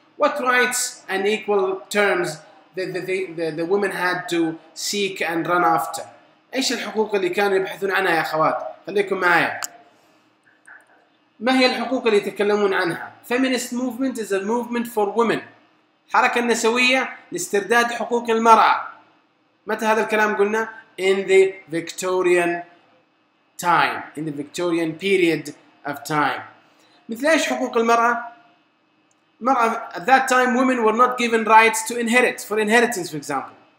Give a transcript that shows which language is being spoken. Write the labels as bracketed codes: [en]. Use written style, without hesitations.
[en] What rights and equal terms the women had to seek and run after? [ar] ايش الحقوق اللي كانوا يبحثون عنها يا اخوات؟ خليكم معايا. ما هي الحقوق اللي يتكلمون عنها؟ [en] Feminist movement is a movement for women. [ar] حركة النسوية لاسترداد حقوق المرأة. متى هذا الكلام قلنا؟ [en] In the Victorian time, in the Victorian period of time. [ar] مثل ايش حقوق المرأة؟ المرأة [en] at that time women were not given rights to inherit, for inheritance for example.